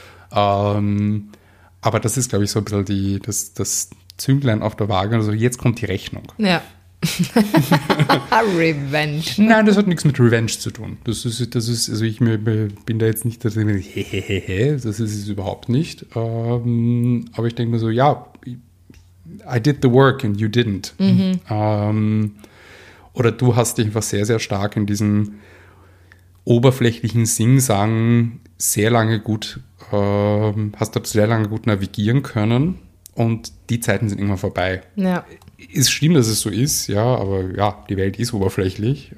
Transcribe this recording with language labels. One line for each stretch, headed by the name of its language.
German: Aber das ist, glaube ich, so ein bisschen das Zünglein auf der Waage. Also jetzt kommt die Rechnung. Ja, Revenge. Nein, das hat nichts mit Revenge zu tun. Das ist also ich bin da jetzt nicht, das ist es überhaupt nicht. Aber ich denke mir so, ja,
English: I did the work and you didn't. Mhm.
German: Oder du hast dich einfach sehr, sehr stark in diesem oberflächlichen Sing-Sang sehr lange gut, hast du sehr lange gut navigieren können und die Zeiten sind irgendwann vorbei. Ja. Ist schlimm, dass es so ist, ja, aber ja, die Welt ist oberflächlich.